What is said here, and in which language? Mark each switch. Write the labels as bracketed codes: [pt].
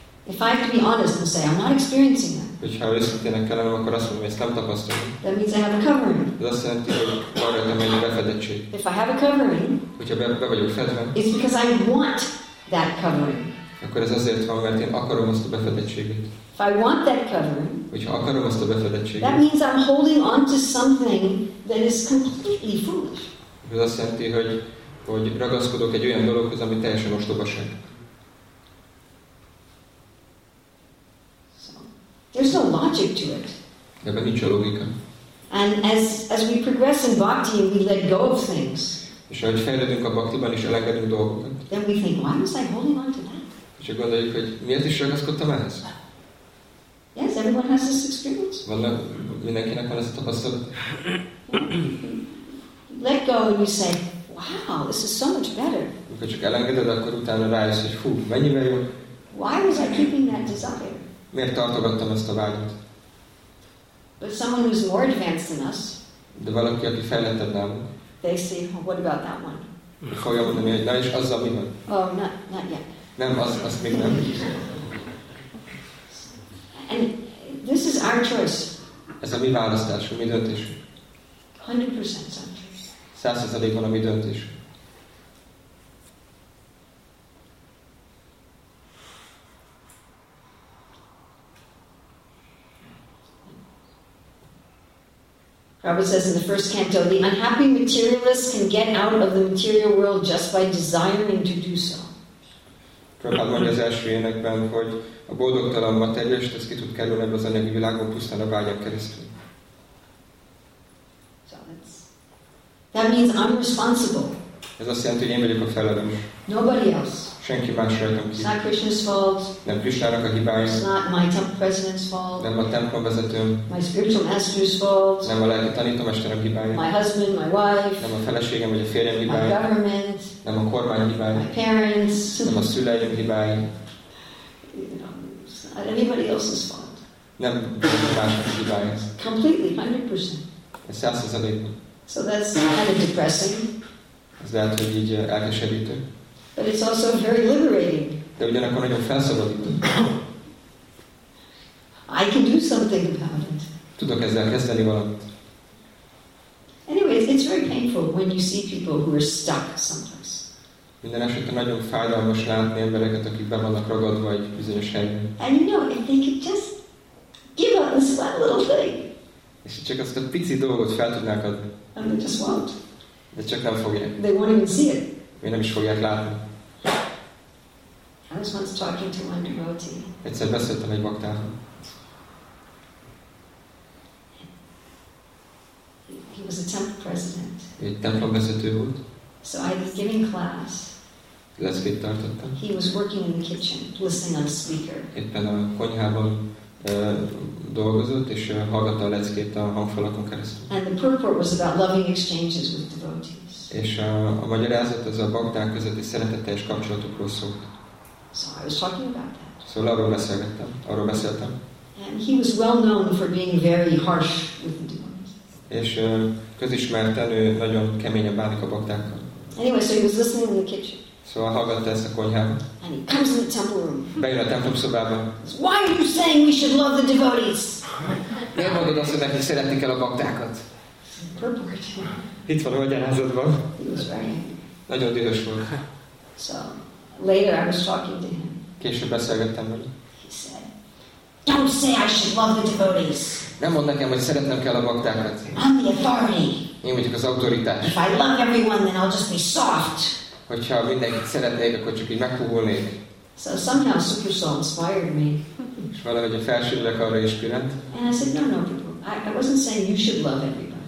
[en] If I have to be honest and say I'm not experiencing that. [hu] Hogyha őszintének kellene, akkor azt mondom, hogy ezt nem tapasztalom. [en] That means I have a covering. [hu] Ez azt jelenti, hogy van rajtam egy befedettség. [en] If I have a covering. [hu] Hogyha be vagyok fedve. [en] It's because I want that covering. [hu] Akkor ez azért van, mert én akarom azt a befedettséget. [en] If I want that covering. [hu] Hogyha akarom azt a befedettséget. [en] That means I'm holding on to something that is completely foolish. [hu] Ez azt jelenti, hogy ragaszkodok egy olyan dologhoz, ami teljesen ostobaság. [en] There's no logic to it. [hu] Ebben nincs a logika. [en] And as we progress in bhakti, we let go of things. [hu] És ahogy fejlődünk a bhaktiban, is elengedünk dolgokat. [en] Then we think, why was I holding on to that? [hu] És akkor gondoljuk, hogy miért is ragaszkodtam ehhez? [en] Yes, everyone has this experience. [hu] Mindenkinek van ez a tapasztalat. [en] Let go and you say, wow, this is so much better. [hu] Amikor csak elengeded, akkor utána rájössz, hogy fú, mennyivel jó. [en] Why was I keeping that desire? [hu] Miért tartogattam ezt a vágyat? [en] But someone who's more advanced than us. [hu] De valaki, aki fejlettebb nálunk. [en] They say, well, what about that one? [hu] Fogja mondani, hogy na és azzal mi van? [en] Oh, not yet. [hu] Nem, az még nem. [en] And this is our choice. [hu] Ez a mi választásunk, mi döntésünk. [en] 100% our choice. [hu] 100% van a mi döntés. [en] Prabhupada says in the first canto, the unhappy materialist can get out of the material world just by desiring to do so. [hu] Prabhupada mondja az első énekben, hogy a boldogtalan materialist ez ki tud kerülni az anyagi világon pusztán a vágyak keresztül. [en] So that means I'm responsible. [hu] Ez azt jelenti, hogy én vagyok a felelős. [en] Nobody else. [hu] Senki más rajtam ki. [en] It's not Krishna's fault. [hu] Nem Krishna-nak a hibája. [en] It's not my temple president's fault. [hu] Nem a templom vezetőm. [en] My spiritual master's fault. [hu] Nem a lelki tanítómesterem hibája. [en] My husband, my wife. [hu] Nem a feleségem vagy a férjem hibája. [en] My government. [hu] Nem a kormány hibája. [en] My parents. [hu] Nem a szüleim hibája. [en] You know, it's not anybody else's fault. [hu] Nem másnak a hibája. [en] Completely, 100%. [hu] Ez 100%. [en] So that's kind of depressing. [hu] Ez lehet, hogy így elkeserítő. [en] But it's also very liberating. [hu] De ugyanakkor nagyon felszabadító. [en] I can do something about it. [hu] Tudok ezzel kezdeni valamit. [en] Anyways, it's very painful when you see people who are stuck sometimes. [hu] Minden esetben nagyon fájdalmas látni embereket, akik be vannak ragadva egy bizonyos helyben. [en] And you know, if they could just give up this one little thing. [hu] És csak azt a pici dolgot fel tudnák adni. [en] And they just won't. [hu] De csak nem fogják. [en] They won't even see it. [hu] Én nem is fogják látni. [en] I was once talking to one devotee. [hu] Egyszer beszéltem egy baktával. [en] He was a temple president. [hu] Egy templom vezető volt. [en] So I was giving class. [hu] Leszkét tartottam. [en] He was working in the kitchen, listening on a speaker. [hu] Éppen a konyhában dolgozott, és hallgatta a leckét a hangfalakon keresztül. [en] And the purport was about loving exchanges with devotees. [hu] És a magyarázat az a bakták közötti szeretetteljes kapcsolatokról szólt. [en] So I was talking about that. [hu] Szóval arról beszéltem. [en] And he was well known for being very harsh with the demons. [hu] És közismerten ő nagyon keményen bánik a baktákkal. [en] Anyway, so he was listening in the kitchen. [hu] Szóval hallgatta ezt a konyhában. [en] And he comes in the temple room. [hu] Bejön a templom szobába. [en] Why are you saying we should love the devotees? [hu] Miért mondod azt, hogy neki szeretni kell a baktákat? [en] Purport. [hu] Itt van a magyarázatban. [en] Very... [hu] Nagyon dühös volt. [en] So, later I was talking to him. [hu] Később beszélgettem vele. [en] He said, don't say I should love the devotees. [hu] Nem mond nekem, hogy szeretnem kell a baktákat. [en] I'm the authority. [hu] Én vagyok az autoritás. [en] If I love everyone, then I'll just be soft. [hu] Hogyha mindenkit szeretnék, akkor csak így megpuhulnék. [en] So somehow Super Soul inspired me. [hu] És valahogy a felsőnek arra inspirált. [en] And I said, no, I wasn't saying you should love everyone.